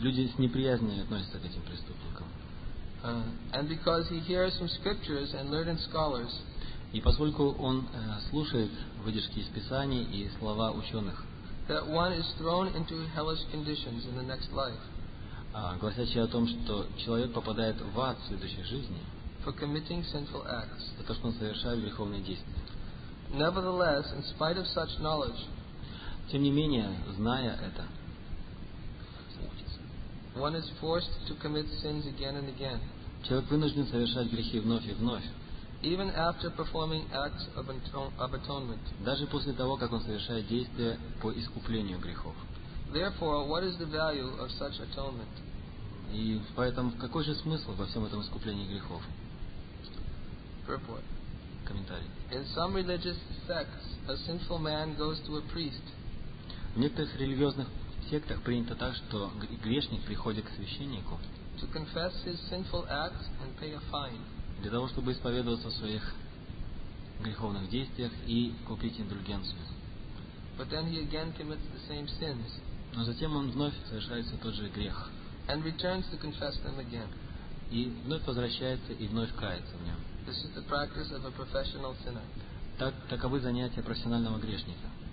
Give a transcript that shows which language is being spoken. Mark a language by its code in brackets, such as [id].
[ru] Люди с неприязнью относятся к этим преступникам. [en] And because he hears from scriptures and learned scholars. [ru] И поскольку он слушает выдержки из Писаний и слова ученых. [en] That one is thrown into hellish conditions in the next life. [ru] Гласящие о том, что человек попадает в ад в следующей жизни. [en] For committing sinful acts. [ru] За то, что он совершает греховные действия. [en] Nevertheless, in spite of such knowledge. [ru] Тем не менее, зная это. [en] One is forced to commit sins again and again. [ru] Человек вынужден совершать грехи вновь и вновь. [en] Even after performing acts of atonement. [ru] Даже после того, как он совершает действия по искуплению грехов. [en] Therefore, what is the value of such atonement? [ru] И поэтому какой же смысл во всем этом искуплении грехов? [en] Purport. [ru] Комментарий. [en] In some religious sects, a sinful man goes to a priest. [ru] В некоторых религиозных сектах принято так, что грешник приходит к священнику [en] to confess his sinful acts and pay a fine. [ru] Для того, чтобы исповедоваться в своих греховных действиях и купить индульгенцию. [en] But then he again commits the same sins. [ru] Но затем он вновь совершает тот же грех. [en] And returns to confess them again. [ru] И вновь возвращается и вновь кается в нем. [en] This is the practice of a professional sinner. [ru] Таковы занятия профессионального грешника.